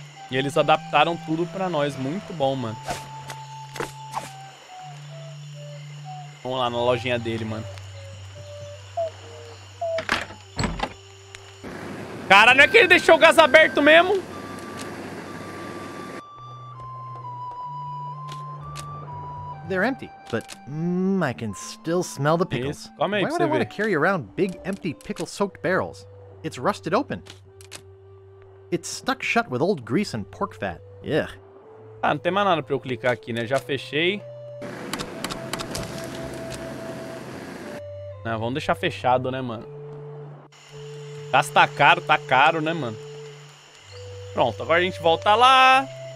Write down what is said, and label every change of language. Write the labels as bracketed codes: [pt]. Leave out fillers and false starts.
[pt] E eles adaptaram tudo pra nós. Muito bom, mano. Vamos lá na lojinha dele, mano. Cara, não é que ele deixou o gás aberto mesmo? [en] They're empty, but I can still smell the pickles. Come Why would I want to carry around big, empty, pickle-soaked barrels? It's rusted open. It's stuck shut with old grease and pork fat. Ugh. [pt] Ah, não tem mais nada pra eu clicar aqui, né? Já fechei. Não, vamos deixar fechado, né, mano? Gás tá caro, né, mano? Pronto, agora a gente volta lá.